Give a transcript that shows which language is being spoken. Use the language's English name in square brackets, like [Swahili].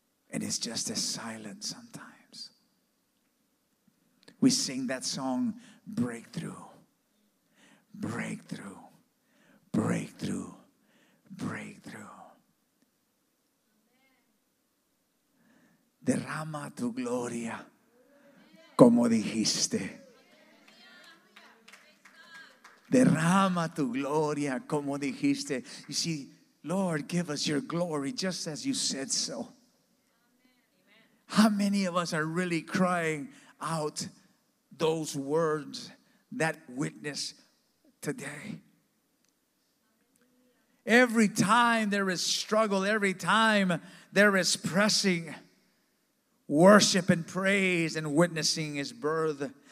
[English] And it's just as silent sometimes. We sing that song, Breakthrough, Breakthrough. Breakthrough, breakthrough. [Spanish] Derrama tu gloria, como dijiste. Derrama tu gloria, como dijiste. [English] You see, Lord, give us your glory just as you said so. How many of us are really crying out those words, that witness today? Every time there is struggle, every time there is pressing, worship and praise and witnessing is birthed.